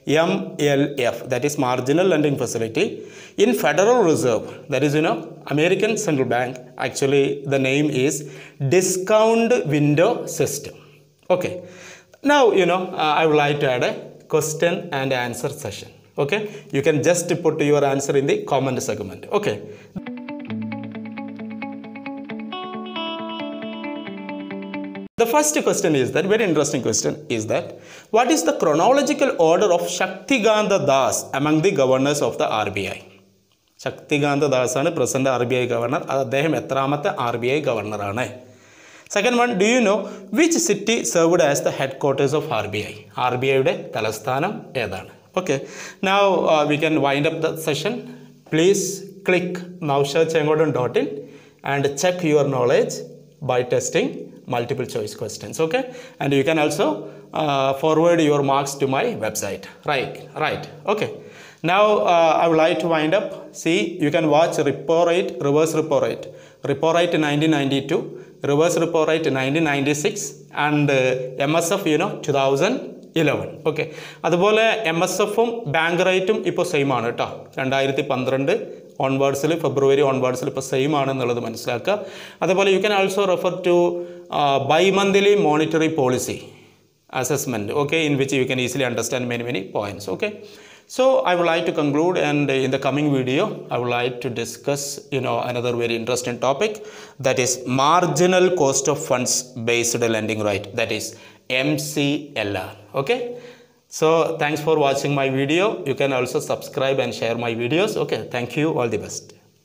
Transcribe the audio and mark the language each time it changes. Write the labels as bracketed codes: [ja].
[en] MLF, that is marginal lending facility in Federal Reserve. That is you know American central bank actually the name is discount window system. Okay, now you know I would like to add a question and answer session. Okay, you can just put your answer in the comment segment. Okay, the first question is that very interesting question is that what is the chronological order of Shaktikanta Das among the governors of the RBI. [ml] Shaktikanta ദാസാണ് present R B I governor, അത് അദ്ദേഹം എത്രാമത്തെ R B I ഗവർണറാണ്. [en] second one, do you know which city served as the headquarters of R B I, [ml] R B ഐയുടെ തലസ്ഥാനം ഏതാണ്? [en] Okay, now we can wind up the session. Please click Naushad Chengodan dot in and check your knowledge by testing multiple choice questions. Okay, and you can also forward your marks to my website. Right okay. Now, I would like to wind up. See, you can watch repo rate, reverse repo rate. Repo rate 1992, reverse repo rate 1996, and MSF, 2011. Okay. [ml] അതുപോലെ MSF-ഉം bank റേറ്റും ഇപ്പോൾ same ആണ് കേട്ടോ. 2012 ഓൺവേർഡ്സിൽ, ഫെബ്രുവരി ഓൺവേർഡ്സിൽ ഇപ്പോൾ same ആണെന്നുള്ളത് മനസ്സിലാക്കുക. [en] അതുപോലെ you can also refer to by monthly monetary policy assessment, okay, in which you can easily understand many many points. Okay, so I would like to conclude, and in the coming video I would like to discuss another very interesting topic, that is marginal cost of funds based lending right, that is MCLR. okay, so thanks for watching my video. You can also subscribe and share my videos. Okay, thank you, all the best.